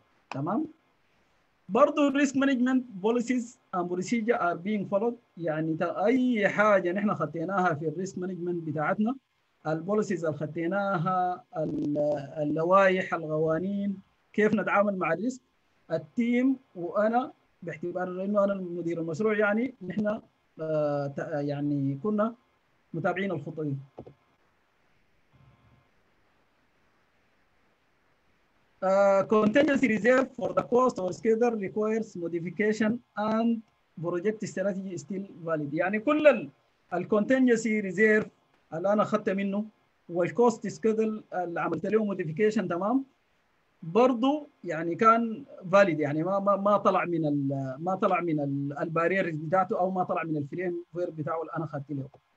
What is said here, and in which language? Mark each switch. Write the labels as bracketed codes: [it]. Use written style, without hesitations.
[ar] تمام، برضه [en] الريسك management policies and procedure are being followed, [ar] يعني اي حاجه احنا خدناها في الريسك مانجمنت بتاعتنا، البوليسيز اللي خدناها، اللوائح، القوانين، كيف نتعامل مع الريسك، التيم وانا باعتبار انه انا مدير المشروع، يعني نحن يعني كنا متابعين الخطه دي. [en] contingency reserve for the cost or schedule requires modification and project strategy still valid. [ar] يعني كل ال contingency reserve اللي انا اخذته منه والكوست سكيدل اللي عملت له موديفيكيشن، تمام، برضو يعني كان فاليد، يعني ما طلع من ما طلع من البارير بتاعته او ما طلع من الفريم وير بتاعه اللي انا اخذت له.